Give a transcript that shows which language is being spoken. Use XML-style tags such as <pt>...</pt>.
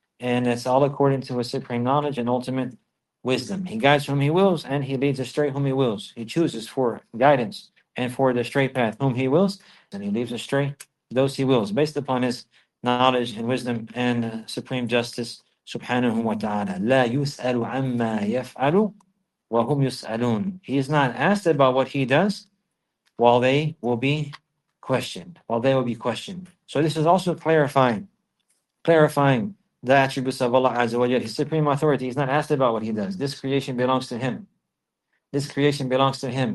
<en>And it's all according to His supreme knowledge and ultimate wisdom. He guides whom He wills, and He leads astray whom He wills. He chooses for guidance and for the straight path whom He wills, and He leaves astray those He wills, based upon His knowledge and wisdom and supreme justice, subhanahu wa ta'ala.</en> <ar>لا يسأل عما يفعل وهم يسألون.</ar> <en>He is not asked about what He does while they will be questioned. While they will be questioned. So this is also clarifying the attributes of Allah Azza wa Jalla, His supreme authority. He's not asked about what He does. This creation belongs to Him. This creation belongs to Him.</en>